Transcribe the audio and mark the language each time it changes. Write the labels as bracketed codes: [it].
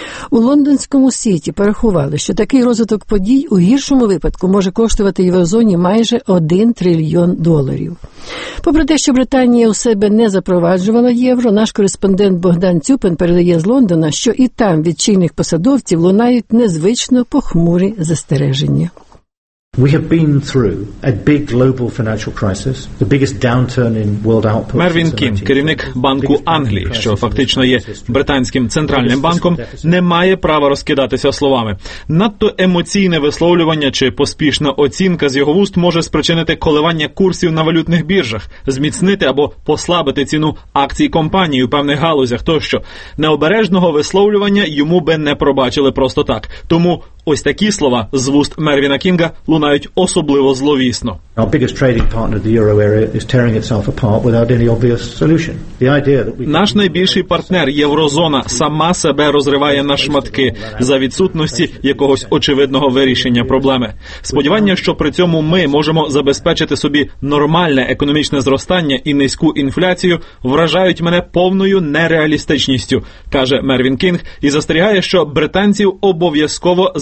[uk] У лондонському світі порахували, що такий розвиток подій у гіршому випадку може коштувати єврозоні майже 1 трильйон доларів. Попри те, що Британія у себе не запроваджувала євро, наш кореспондент Богдан Цюпин передає з Лондона, що і там від чинних посадовців лунають незвично похмурі застереження. [en] We have been through a big global financial crisis, the biggest downturn in world output. [uk] Мервін Кім, керівник Банку Англії, що фактично є британським центральним банком, не має права розкидатися словами. Надто емоційне висловлювання чи поспішна оцінка з його вуст може спричинити коливання курсів на валютних біржах, зміцнити або послабити ціну акцій компанії у певних галузях тощо. Необережного висловлювання йому би не пробачили просто так. Тому ось такі слова з вуст Мервіна Кінга лунають особливо зловісно. [en] Our biggest trading partner, the euro area, is tearing itself apart without any obvious solution. The idea that we [uk] наш найбільший партнер, єврозона, сама себе розриває на шматки за відсутності якогось очевидного вирішення проблеми. Сподівання, що при цьому ми можемо забезпечити собі нормальне економічне зростання і низьку інфляцію, вражають мене повною нереалістичністю, каже Мервін Кінг, і застерігає, що британців обов'язково